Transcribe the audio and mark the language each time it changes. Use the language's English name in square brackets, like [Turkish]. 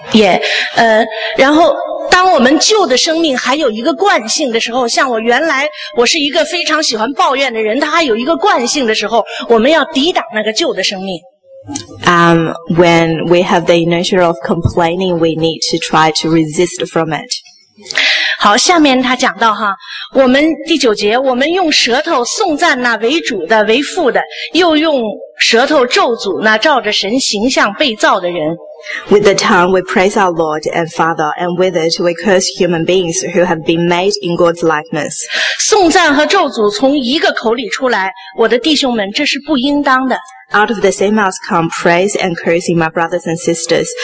[Chinese] Yeah, 然后当我们旧的生命还有一个惯性的时候，像我原来我是一个非常喜欢抱怨的人，他还有一个惯性的时候，我们要抵挡那个旧的生命。 [English] When we have the inertia of complaining, we need to try to resist from it. [Chinese] 好，下面他讲到哈，我们第九节，我们用舌头颂赞那为主的、为父的，又用舌头咒诅那照着神形象被造的人。 [English] With the tongue we praise our Lord and Father, and with it we curse human beings who have been made in God's likeness. [Chinese] 颂赞和咒诅从一个口里出来，我的弟兄们，这是不应当的。 [English] Out of the same mouth come praise and cursing, my brothers and sisters.